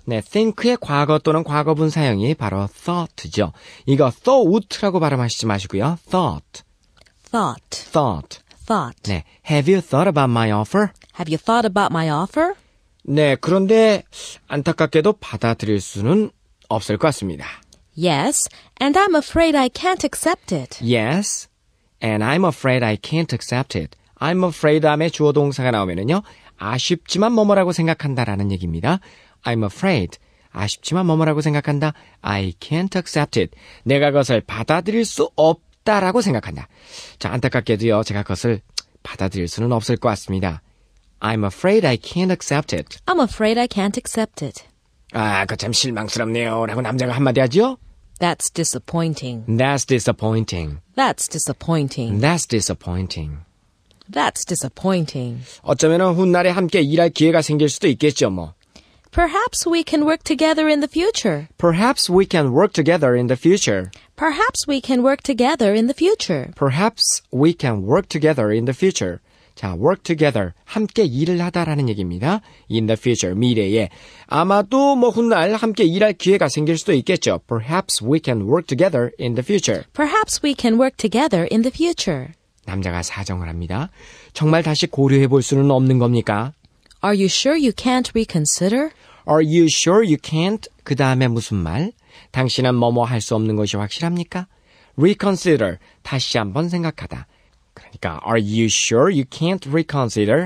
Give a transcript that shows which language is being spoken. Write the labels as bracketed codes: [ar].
[ko] 네, think의 과거 또는 과거분 사형이 바로 thought죠. 이거 thought라고 발음하시지 마시고요. Thought. [en] Thought. Thought. Thought. 네, have you thought about my offer? Have you thought about my offer? [ko] 네, 그런데 안타깝게도 받아들일 수는 없을 것 같습니다. [en] Yes, and I'm afraid I can't accept it. Yes, and I'm afraid I can't accept it. I'm afraid [ko] 다음에 주어 동사가 나오면은요, 아쉽지만 뭐뭐라고 생각한다라는 얘기입니다. [en] I'm afraid, [ko] 아쉽지만 뭐뭐라고 생각한다. [en] I can't accept it. [ko] 내가 그것을 받아들일 수 없다라고 생각한다. 자, 안타깝게도요, 제가 그것을 받아들일 수는 없을 것 같습니다. [en] I'm afraid I can't accept it. I'm afraid I can't accept it. [ko] 아, 그 참 실망스럽네요. 라고 남자가 한마디 하죠? [en] That's disappointing. That's disappointing. That's disappointing. That's disappointing. That's disappointing. [ko] 어쩌면은 훗날에 함께 일할 기회가 생길 수도 있겠죠, 뭐. [en] Perhaps we can work together in the future. Perhaps we can work together in the future. Perhaps we can work together in the future. Perhaps we can work together in the future. [ko] 자, [en] work together, [ko] 함께 일을 하다라는 얘기입니다. [en] In the future, [ko] 미래에. 아마도 뭐 훗날 함께 일할 기회가 생길 수도 있겠죠. [en] Perhaps we can work together in the future. Perhaps we can work together in the future. [ko] 남자가 사정을 합니다. 정말 다시 고려해 볼 수는 없는 겁니까? [en] Are you sure you can't reconsider? Are you sure you can't? [ko] 그 다음에 무슨 말? 당신은 뭐뭐 할 수 없는 것이 확실합니까? [en] Reconsider, [ko] 다시 한번 생각하다. 그러니까 [en] Are you sure you can't reconsider?